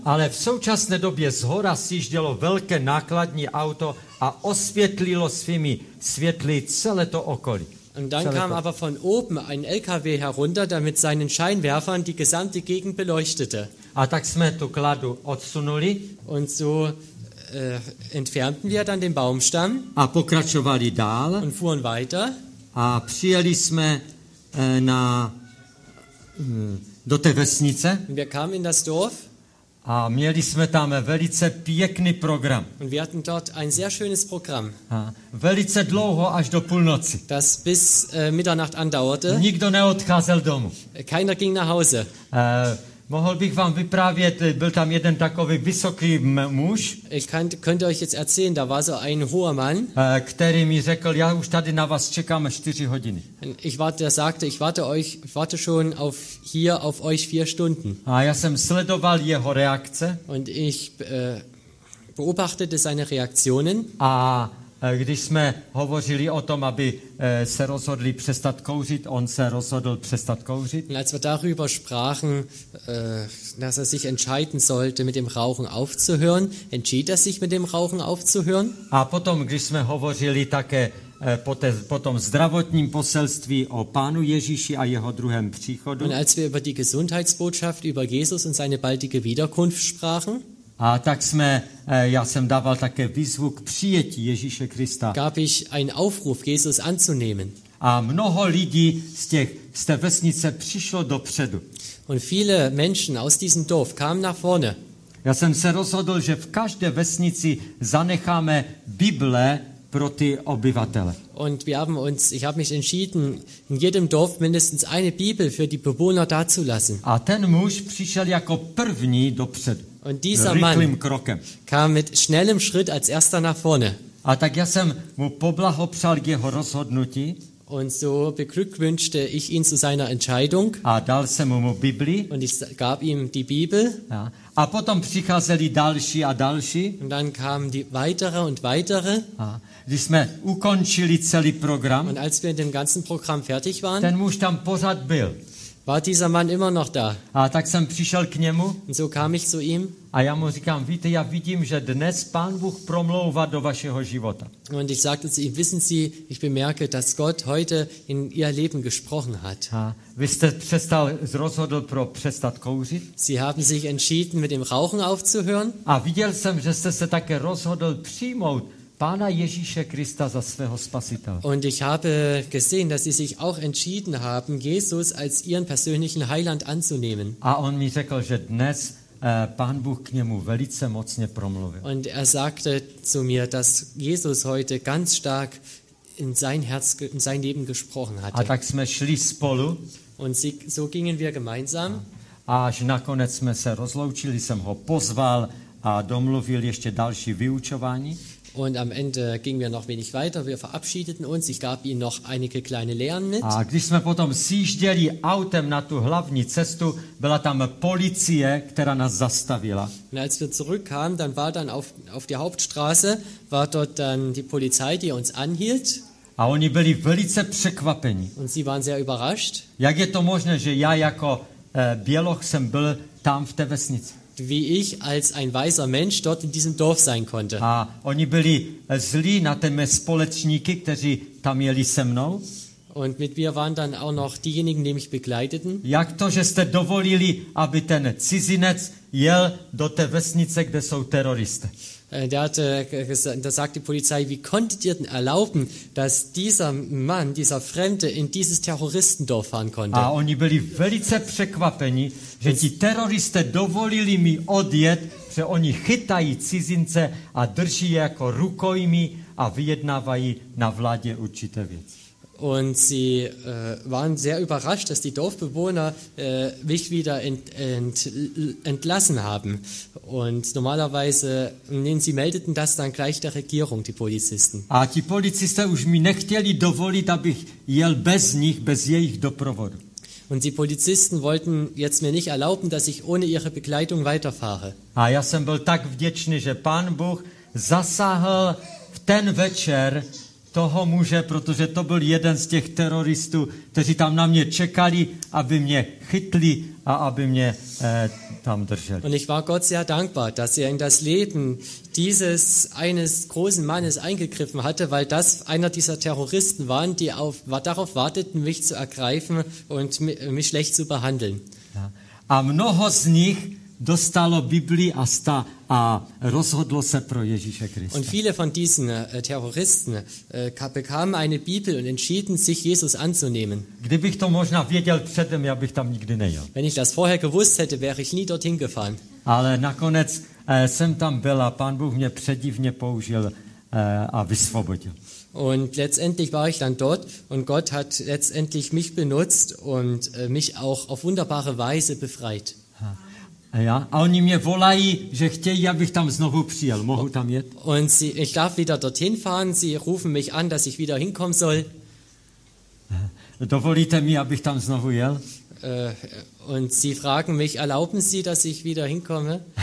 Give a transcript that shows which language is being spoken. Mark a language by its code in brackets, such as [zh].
[cs] Ale v současné době zhora sjíždělo velké nákladní auto a osvětlilo svými světly celé to okolí. [de] Und dann kam aber von oben ein LKW herunter, der mit seinen Scheinwerfern die gesamte Gegend beleuchtete. [cs] A tak jsme tu kladu odsunuli. [de] Und so entfernten wir dann den Baumstamm. [cs] A pokračovali dál. [de] Und fuhren weiter. [cs] A přijeli jsme na do té vesnice. [de] Und wir kamen in das Dorf. [cs] A měli jsme tam velice pěkný program. [de] Und wir hatten dort ein sehr schönes Programm. [cs] A velice dlouho až do půlnoci. [de] Das bis Mitternacht andauerte. [cs] Nikdo neodcházel domů. [de] Keiner ging nach Hause. [cs] Mohl bych vám vyprávět, byl tam jeden takový vysoký muž. [de] Könnte euch jetzt erzählen, da war so ein hoher Mann. [cs] Který mi řekl, já už tady na vás čekám 4 hodiny. [de] Ich warte schon auf euch 4 Stunden. [cs] A já jsem sledoval jeho reakce. [de] Und ich beobachtete seine Reaktionen. [cs] A když jsme hovořili o tom, aby se rozhodli přestat kouřit, on se rozhodl přestat kouřit. [de] Als wir darüber sprachen, dass er sich entscheiden sollte, mit dem Rauchen aufzuhören, entschied er sich, mit dem Rauchen aufzuhören. [cs] A potom, když jsme hovořili také potom zdravotním poselství o Pánu Ježíši a jeho druhém příchodu. [de] Und als wir über die Gesundheitsbotschaft über Jesus und seine baldige Wiederkunft sprachen. [cs] A tak jsme, já jsem dával také výzvu k přijetí Ježíše Krista. [de] Gab ich einen Aufruf, Jesus anzunehmen. [cs] A mnoho lidí z té vesnice přišlo dopředu. [de] Und viele Menschen aus diesem Dorf kamen nach vorne. [cs] Já jsem se rozhodl, že v každé vesnici zanecháme Bible pro ty obyvatele. [de] Und ich habe mich entschieden, in jedem Dorf mindestens eine Bibel für die Bewohner dazulassen. [cs] A ten muž přišel jako první dopředu. [de] Und dieser Mann kam mit schnellem Schritt als erster nach vorne. [cs] A tak já jsem mu poblahopřál k jeho rozhodnutí. [de] Und so beglückwünschte ich ihn zu seiner Entscheidung. [cs] A dal jsem mu Bibli. [de] Und ich gab ihm die Bibel. [cs] A potom přicházeli další a další. [de] Und dann kamen die weitere und weitere. [cs] Když jsme ukončili celý program. [de] Und als wir in dem ganzen Programm fertig waren. [cs] Ten muž tam pořád byl. [de] War dieser Mann immer noch da? [cs] A tak jsem přišel k němu. [de] Und so kam ich zu ihm. [cs] A já mu říkám, víte, já vidím, že dnes Pán Bůh promlouvá do vašeho života. [de] Und ich sagte zu ihm, wissen Sie, ich bemerke, dass Gott heute in Ihr Leben gesprochen hat. [cs] A vy jste rozhodl pro přestat kouřit? [de] Sie haben sich entschieden, mit dem Rauchen aufzuhören. [cs] A viděl jsem, že jste se také rozhodl přijmout Pána Ježíše Krista za svého spasitele. [de] Und ich habe gesehen, dass sie sich auch entschieden haben, Jesus als ihren persönlichen Heiland anzunehmen. [cs] A on mi řekl, že dnes Pán Bůh k němu velice mocně promluvil. [de] Und er sagte zu mir, dass Jesus heute ganz stark in sein Herz, in sein Leben gesprochen hatte. [cs] A tak jsme šli spolu. [de] Und so gingen wir gemeinsam. [cs] A až nakonec jsme se rozloučili, jsem ho pozval a domluvil ještě další vyučování. [de] Und am Ende gingen wir noch wenig weiter, wir verabschiedeten uns, ich gab ihnen noch einige kleine Lehren mit. [cs] A když jsme potom sjížděli autem na tu hlavní cestu, byla tam policie, která nás zastavila. [de] Und als wir zurückkamen, dann war dann auf die Hauptstraße, war dort dann die Polizei, die uns anhielt. [cs] A oni byli velice překvapeni. [de] Und sie waren sehr überrascht. [cs] Jak je to možné, že já jako Běloch jsem byl tam v té vesnici? [de] Wie ich als ein weiser Mensch dort in diesem Dorf sein konnte. [cs] A oni byli zlí na ty mé společníky, kteří tam jeli se mnou. [de] Und mit mir waren dann auch noch diejenigen, die mich begleiteten. [cs] Jak to, že jste dovolili, aby ten cizinec jel do té vesnice, kde jsou teroristé? [de] da sagt die Polizei, wie konntet ihr denn erlauben, dass dieser Mann, dieser Fremde in dieses Terroristendorf fahren konnte? [cs] A oni byli velice překvapeni, že ti teroristé dovolili mi odjet, že oni chytají cizince a drží je jako rukojmí a vyjednávají na vládě určité věci. [de] Und sie waren sehr überrascht, dass die Dorfbewohner mich wieder entlassen haben. Und normalerweise, sie meldeten das dann gleich der Regierung, die Polizisten. [cs] A ti policisté už mi nechtěli dovolit, abych jel bez nich, bez jejich doprovodu. [de] Und die Polizisten wollten jetzt mir nicht erlauben, dass ich ohne ihre Begleitung weiterfahre. [cs] A já jsem byl tak vděčný, že Pán Bůh zasáhl v ten večer toho muže, protože to byl jeden z těch teroristů, kteří tam na mě čekali, aby mě chytli a aby mě tam drželi. [de] Und ich war Gott sehr dankbar, dass er in das Leben dieses eines großen Mannes eingegriffen hatte, weil das einer dieser Terroristen waren, die darauf warteten, mich zu ergreifen und mich schlecht zu behandeln. Ja. [cs] A mnoho z nich dostalo Biblii a rozhodlo se pro Ježíše Krista. [de] Und viele von diesen Terroristen bekamen eine Bibel und entschieden sich Jesus anzunehmen. [cs] Kdybych to možná věděl předem, já bych tam nikdy nejel. [de] Wenn ich das vorher gewusst hätte, wäre ich nie dorthin gefahren. [cs] Ale nakonec jsem tam byl a Pán Bůh mě předivně použil a vysvobodil. [de] Und letztendlich war ich dann dort und Gott hat letztendlich mich benutzt und mich auch auf wunderbare Weise befreit. [cs] Ja, a oni mě volají, že chtějí, abych tam znovu přijel. Mohu tam jet? [de] Und sie, ich darf wieder dorthin fahren. Sie rufen mich an, dass ich wieder hinkommen soll. [cs] Dovolíte mi, abych tam znovu jel? [de] Und sie fragen mich, erlauben Sie, dass ich wieder hinkomme?